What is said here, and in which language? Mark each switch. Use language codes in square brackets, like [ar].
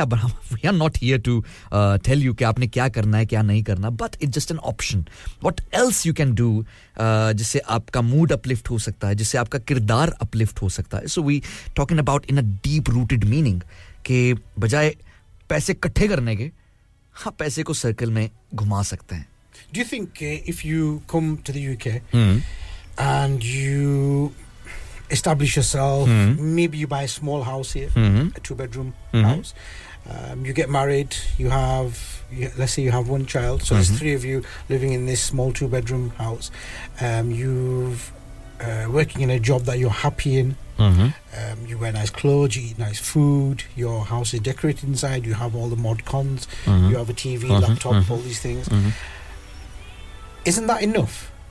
[en] आप we are not here to tell you [hi] कि आपने क्या करना है क्या नहीं करना, [en] but it's just an option. What else you can do [hi] जिससे आपका mood uplift हो सकता है, जिससे आपका किरदार uplift हो सकता है. [en] So we talking about in a deep rooted meaning [hi] कि बजाय पैसे कट्ठे करने के, आप पैसे को circle में घुमा सकते हैं. [en] Do you think if you come to the UK and you establish yourself, maybe you buy a small house here, a two-bedroom house, you get married, let's say you have one child, so there's three of you living in this small two-bedroom house, you've working in a job that you're happy in, you wear nice clothes, you eat nice food, your house is decorated inside, you have all the mod cons, you have a TV, laptop, all these things. Isn't that enough?